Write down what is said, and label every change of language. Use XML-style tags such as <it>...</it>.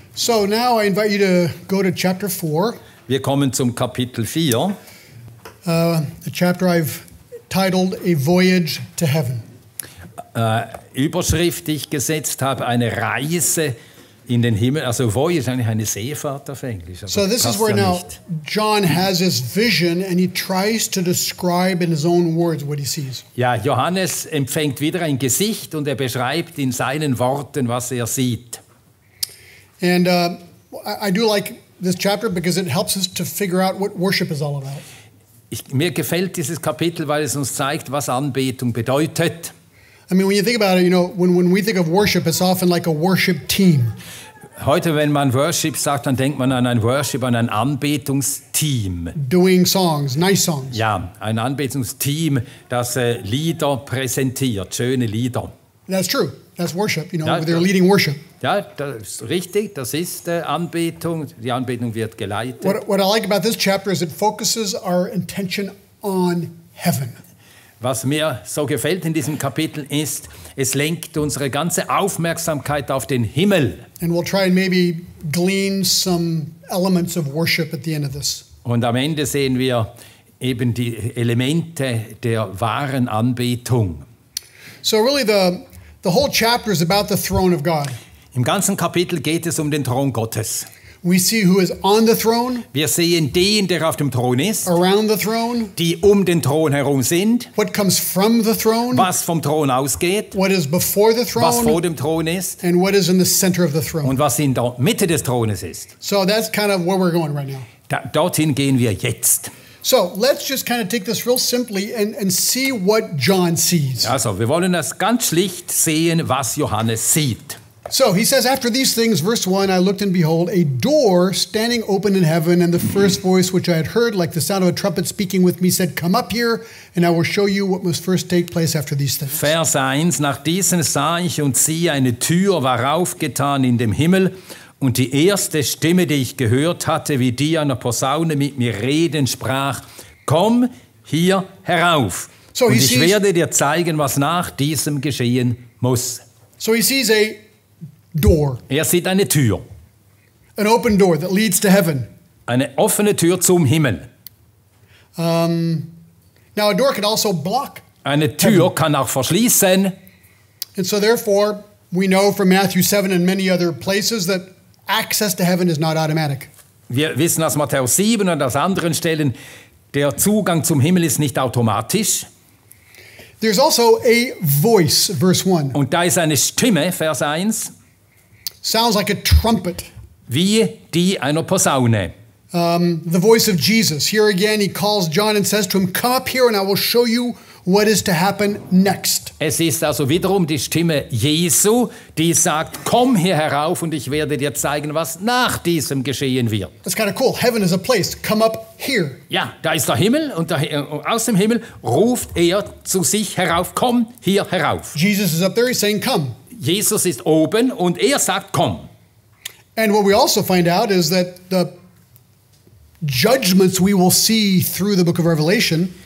<en>So now I invite you to go to chapter 4.</en> <de>Wir kommen zum Kapitel 4.</de> <en>The chapter I've titled A Voyage to Heaven.</en> <de>Überschrift, die ich gesetzt habe, eine Reise in den Himmel. Also Voyage ist eigentlich eine Seefahrt auf Englisch.</de> <en>So this is where now John has his vision and he tries to describe in his own words what he sees.</en> <de>Ja, Johannes empfängt wieder ein Gesicht und er beschreibt in seinen Worten, was er sieht.</de> <en>And I do like this chapter because it helps us to figure out what worship is all about.</en> <de>Mir gefällt dieses Kapitel, weil es uns zeigt, was Anbetung bedeutet.</de> <en>I mean, when you think about it, you know, when we think of worship, it's often like a worship team.</en> <de>Heute, wenn man Worship sagt, dann denkt man an ein Worship, an ein Anbetungsteam.</de> <en>Doing songs, nice songs.</en> <de>Ja, ein Anbetungsteam, das Lieder präsentiert, schöne Lieder.</de> <en>That's true. That's worship, you know, where they're leading worship.</en> <de>Ja, das ist richtig. Das ist Anbetung. Die Anbetung wird geleitet.</de> <en>What I like about this chapter is it focuses our intention on heaven.</en> <de>Was mir so gefällt in diesem Kapitel ist, es lenkt unsere ganze Aufmerksamkeit auf den Himmel.</de> <en>And we'll try and maybe glean some elements of worship at the end of this.</en> <de>Und am Ende sehen wir eben die Elemente der wahren Anbetung.</de> <en>So really the whole chapter is about the throne of God.</en> <de>Im ganzen Kapitel geht es um den Thron Gottes.</de> <en>We see who is on the throne.</en> <de>Wir sehen den, der auf dem Thron ist.</de> <en>Around the throne.</en> <de>Die um den Thron herum sind.</de> <en>What comes from the throne.</en> <de>Was vom Thron ausgeht.</de> <en>What is before the throne.</en> <de>Was vor dem Thron ist.</de> <en>And what is in the center of the throne.</en> <de>Und was in der Mitte des Thrones ist.</de> <en>So that's kind of where we're going right now.</en> <de>Dorthin gehen wir jetzt.</de> <en>So let's just kind of take this real simply and see what John sees.</en> <de>Also, wir wollen das ganz schlicht sehen, was Johannes sieht.</de> <en>So he says, after these things, verse 1, I looked and behold, a door standing open in heaven, and the first voice which I had heard, like the sound of a trumpet speaking with me, said, come up here, and I will show you what must first take place after these things.</en> <de>Vers 1, nach diesen sah ich, und siehe, eine Tür war aufgetan in dem Himmel, und die erste Stimme, die ich gehört hatte, wie die einer Posaune mit mir reden, sprach, komm hier herauf, so und ich werde dir zeigen, was nach diesem geschehen muss.</de> <en>So he sees a door.</en> <de>Er sieht eine Tür.</de> <en>An open door that leads to heaven.</en> <de>Eine offene Tür zum Himmel.</de> <en>Now a door can also block.</en> <de>Eine Tür heaven. Kann auch verschließen.</de> <en>And so therefore we know from Matthew 7 and many other places that access to heaven is not automatic.</en> <de>Wir wissen aus Matthäus 7 und aus anderen Stellen, der Zugang zum Himmel ist nicht automatisch.</de> <en>There's also a voice, verse 1.</en> <de>Und da ist eine Stimme, Vers 1.</de> <en>Sounds like a trumpet.</en> <de>Wie die einer Posaune.</de> <en>The voice of Jesus. Here again, he calls John and says to him, come up here and I will show you what is to happen next.</en> <de>Es ist also wiederum die Stimme Jesu, die sagt, komm hier herauf und ich werde dir zeigen, was nach diesem geschehen wird.</de> <en>That's kind of cool. Heaven is a place. Come up here.</en> <de>Ja, da ist der Himmel und aus dem Himmel ruft er zu sich herauf, komm hier herauf.</de> <en>Jesus is up there, he's saying, come.</en> <de>Jesus ist oben und er sagt, komm.</de> <en>And what we also find out is that the judgments we will see through the book of Revelation,</en>